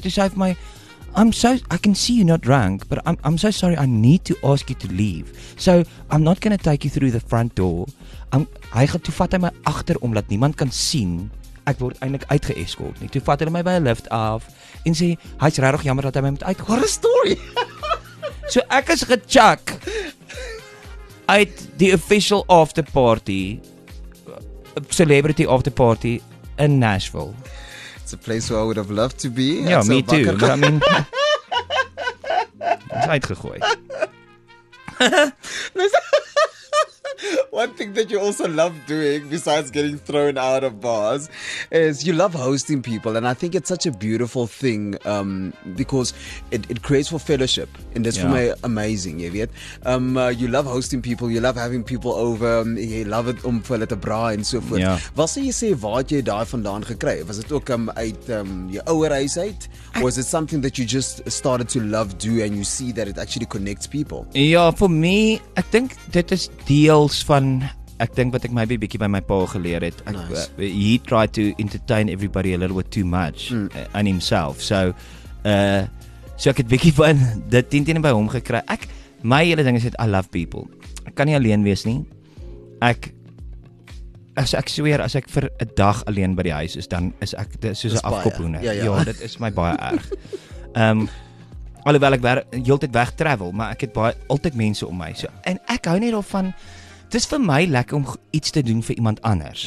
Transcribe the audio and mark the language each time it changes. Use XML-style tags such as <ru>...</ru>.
<af>Toe sê hy vir my,</af> <en>I can see you're not drunk, but I'm so sorry, I need to ask you to leave. So, I'm not gonna take you through the front door.</en> <af>Toe vat hy my agter om, dat niemand kan sien, ek word eintlik uitgeeskort nie. Toe vat hulle my by 'n lift af, en sê, hy's regtig jammer dat hy my moet uit.</af> <en>What a story!</en> <af>So ek is gechuck uit die</af> <en>official after party, celebrity after party</en> <af>in Nashville.</af> <en>It's a place where I would have loved to be. Ja, me too. I mean,</en> <af>is uitgegooi.</af> <en>One thing that you also love doing, besides getting thrown out of bars, is you love hosting people. And I think it's such a beautiful thing, because it creates for fellowship. And that's for me amazing, you weet. You love hosting people, you love having people over, you love it</en> <af>om vir hulle te braai en so voort. Wat sê jy, waar het jy daai vandaan gekry? Was dit ook uit jou ouer huis uit?</af> <en>Or is it something that you just started to love do and you see that it actually connects people?</en> <af>Ja,</af> <en>for me, I think</en> <af>dit is deels van, ek dink wat ek maybe bietjie by my pa geleer het.</af> <en>Nice. He tried to entertain everybody a little bit too much and himself.</en> <af>So ek het bietjie van dit teen by hom gekry. Ek, my hele ding is dit,</af> <en>I love people.</en> <af>Ek kan nie alleen wees nie. As ek vir 'n dag alleen by die huis is, dan is ek soos 'n afkophoender. Ja, dit is my baie erg. Alhoewel ek heeltyd weg travel, maar ek het baie altyd mense om my. So, en ek hou net daarvan, dit is vir my lekker om iets te doen vir iemand anders.</af>